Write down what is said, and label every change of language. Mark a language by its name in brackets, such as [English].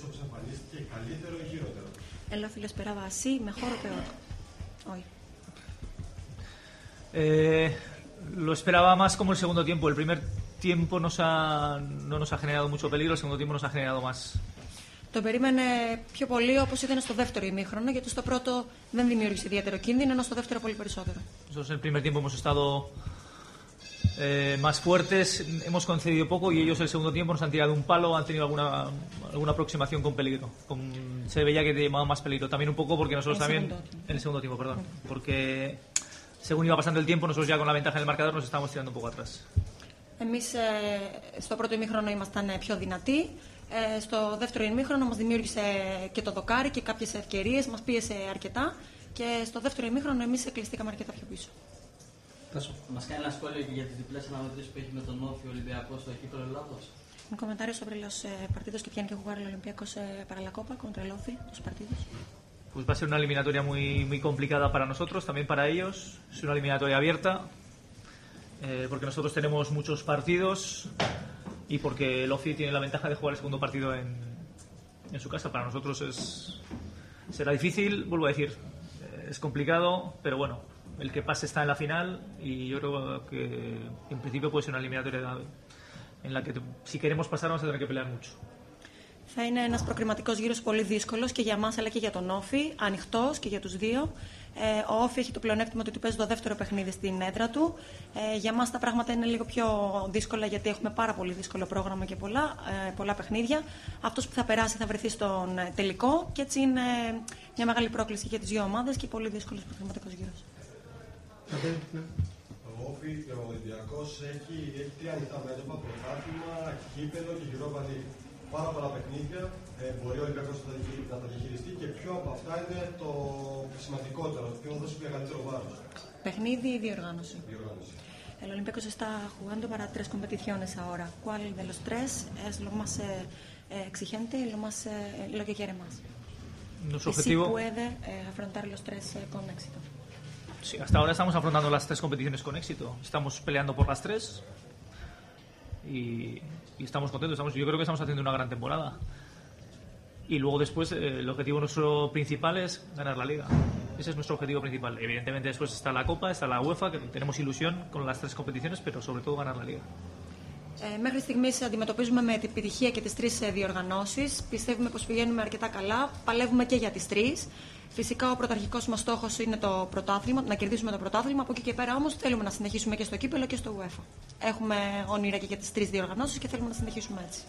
[Greek] τον Όφη σε αυτό το παιχνίδι έτσι όπως εμφανίστηκε, καλύτερο ή χειρότερο? Έλα, φίλο, [Spanish] εσπεράβα así, mejor o peor. Lo esperaba más como el segundo tiempo. El primer tiempo no nos ha generado mucho peligro, el segundo tiempo nos ha generado más. [Greek] Το περίμενε πιο πολύ όπως ήταν στο δεύτερο ημίχρονο, γιατί στο πρώτο δεν δημιούργησε ιδιαίτερο κίνδυνο, ενώ στο δεύτερο πολύ περισσότερο. [Spanish] Στο primer tiempo hemos estado. Más fuertes, hemos concedido poco y ellos el segundo tiempo nos han tirado un palo, han tenido alguna aproximación con peligro. Se veía que llamaba más peligro. También un poco porque nosotros también. En el segundo tiempo, perdón. Porque según iba pasando el tiempo, nosotros ya con la ventaja en el marcador nos estábamos tirando un poco atrás. [Greek] Εμείς στο πρώτο ημίχρονο ήμασταν πιο δυνατοί. Στο δεύτερο ημίχρονο μας δημιούργησε και το δοκάρι και κάποιες ευκαιρίες, μας πίεσε αρκετά. Και στο δεύτερο ημίχρονο εμείς κλειστήκαμε αρκετά πιο πίσω. [Spanish] ¿Más cae en la escuela y ya te diplas en la matriz que hay con el Olimpiaco o el equipo de Lagos? Un comentario sobre los partidos que tienen que jugar el Olimpiaco para la Copa contra el Ofi, los partidos. Pues va a ser una eliminatoria muy, muy complicada para nosotros, también para ellos. Es una eliminatoria abierta, porque nosotros tenemos muchos partidos y porque el Ofi tiene la ventaja de jugar el segundo partido en su casa. Para nosotros será difícil, vuelvo a decir, es complicado, pero bueno. El que pase está en la final y yo creo que en principio puede ser una eliminatoria en la que si queremos pasar vamos a tener que pelear mucho. [Greek] Θα είναι ένας προκριματικός γύρος πολύ δύσκολος και για μας αλλά και για τον Όφη, ανοιχτός και για τους δύο. Ο Όφη έχει το πλεονέκτημα ότι του παίζει το δεύτερο παιχνίδι στην έδρα του. Για μας τα πράγματα είναι λίγο πιο δύσκολα, γιατί έχουμε πάρα πολύ δύσκολο πρόγραμμα και πολλά παιχνίδια. Αυτός που θα περάσει θα βρεθεί στον τελικό, και έτσι είναι μια μεγάλη πρόκληση για τις δύο ομάδες και πολύ δύσκολος προγραμματικός γύρος. Ο Όφη, ο Ολυμπιακός, έχει τρία ανοιχτά μέτωπα, πρωτάθλημα, κύπελλο και Europa League. Πάρα πολλά παιχνίδια μπορεί ο Ολυμπιακός να τα διαχειριστεί, και ποιο από αυτά είναι το σημαντικότερο, ποιο θα δώσει μεγαλύτερο βάρος. Παιχνίδι ή διοργάνωση. Διοργάνωση. [Spanish] Ο Ολυμπιακός está jugando para tres competiciones ahora. ¿Cuál de los tres es lo más exigente y lo que quiere más? Nuestro objetivo. ¿Sí puede afrontar los tres con éxito? Sí, hasta ahora estamos afrontando las tres competiciones con éxito. Estamos peleando por las tres. Y estamos contentos, yo creo que estamos haciendo una gran temporada. Y luego después el objetivo nuestro principal es ganar la Liga. Ese es nuestro objetivo principal. Evidentemente después está la Copa, está la UEFA, que tenemos ilusión con las tres competiciones, pero sobre todo ganar la Liga. [Greek] Μέχρι στιγμής αντιμετωπίζουμε με επιτυχία και τις τρεις διοργανώσεις. Πιστεύουμε πως πηγαίνουμε αρκετά καλά. Παλεύουμε και για τις τρεις. Φυσικά ο πρωταρχικός μας στόχος είναι το πρωτάθλημα, να κερδίσουμε το πρωτάθλημα. Από εκεί και πέρα όμως θέλουμε να συνεχίσουμε και στο κύπελλο και στο UEFA. Έχουμε όνειρα και για τις τρεις διοργανώσεις και θέλουμε να συνεχίσουμε έτσι.